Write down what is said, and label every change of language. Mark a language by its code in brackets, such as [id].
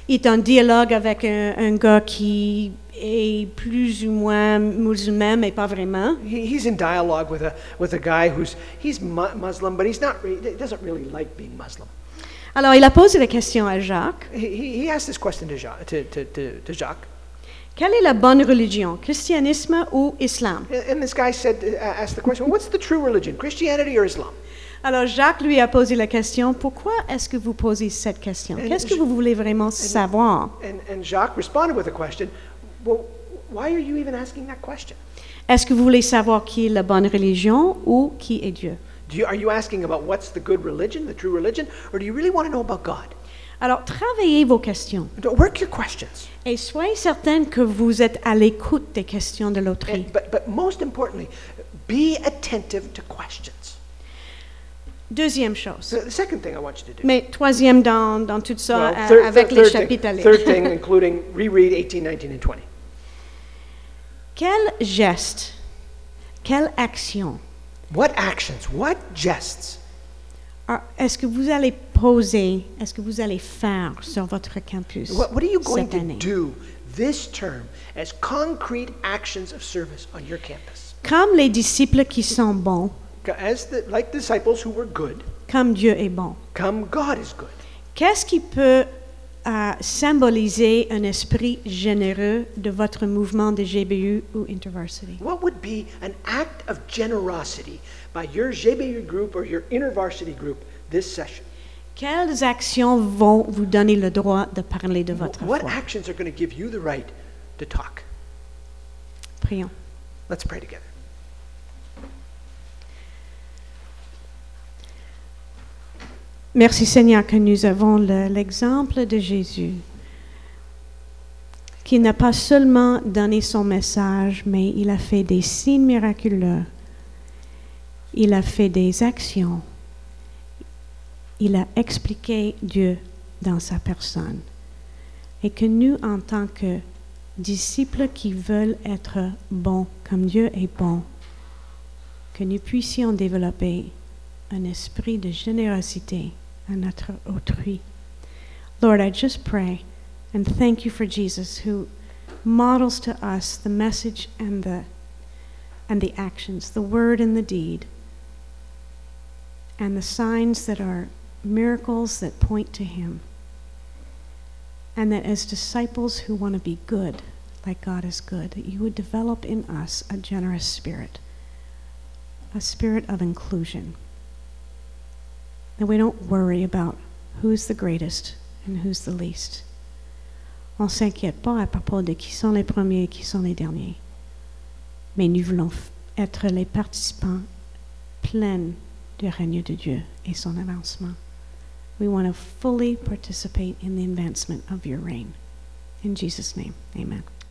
[fr] Il est en dialogue avec un gars qui est plus ou moins musulman, mais pas vraiment. [en] He's in dialogue with a guy who's Muslim, but he doesn't really like being Muslim. [fr] Alors, il a posé la question à Jacques. [en] He asked this question to Jacques. To Jacques. [fr] Quelle est la bonne religion, christianisme ou islam? [en] And this guy asked the question, what's the true religion, Christianity or Islam? [fr] Alors Jacques lui a posé la question, pourquoi est-ce que vous posez cette question? Qu'est-ce que vous voulez vraiment savoir? [en] And Jacques responded with a question, well, why are you even asking that question? [fr] Est-ce que vous voulez savoir qui est la bonne religion ou qui est Dieu? [en] Are you asking about what's the good religion, the true religion, or do you really want to know about God? [fr] Alors, travaillez vos questions. [en] Work your questions. [fr] Et soyez certain que vous êtes à l'écoute des questions de l'autre. [en] But most importantly, be attentive to questions. [fr] Deuxième chose. [en] The second thing I want you to do. [fr] Mais troisième dans tout ça, avec les chapitres à lire. [en] Third thing, including reread 18, 19, and 20. [fr] Quel geste, quelle action? [en] What actions, what gestes? [fr] Est-ce que vous allez poser, est-ce que vous allez faire sur votre campus cette année? [en] What are you going to do this term as concrete actions of service on your campus? [fr] Comme les disciples qui sont bons. [en] Like disciples who were good. [fr] Comme Dieu est bon. [en] Comme God is good. [fr] Qu'est-ce qui peut symboliser un esprit généreux de votre mouvement de GBU ou InterVarsity? [en] What would be an act of generosity by your GBU group or your InterVarsity group this session? [fr] Quelles actions vont vous donner le droit de parler de votre foi? [en] What actions are going to give you the right to talk? [fr] Prions. [en] Let's pray together. [fr] Merci Seigneur que nous avons l'exemple de Jésus qui n'a pas seulement donné son message, mais il a fait des signes miraculeux. Il a fait des actions. Il a expliqué Dieu dans sa personne. Et que nous, en tant que disciples qui veulent être bons comme Dieu est bon, que nous puissions développer un esprit de générosité à notre autrui. [en] Lord, I just pray and thank you for Jesus who models to us the message and the actions, the word and the deed, and the signs that are miracles that point to him, and that as disciples who want to be good like God is good, that you would develop in us a generous spirit, a spirit of inclusion. That we don't worry about who's the greatest and who's the least. [fr] On s'inquiète pas à propos de qui sont les premiers et qui sont les derniers. Mais nous voulons être les participants pleins du règne de Dieu et son avancement. [en] We want to fully participate in the advancement of your reign. In Jesus' name, amen.